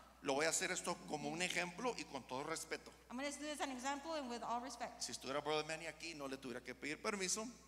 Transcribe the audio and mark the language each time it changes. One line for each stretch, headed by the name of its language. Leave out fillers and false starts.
Spanish: Lo voy a hacer esto como un ejemplo y con todo respeto.
English: I'm going to do this as an example and with all respect.
Spanish: Si estuviera Brother Manny aquí, no le tuviera que pedir permiso.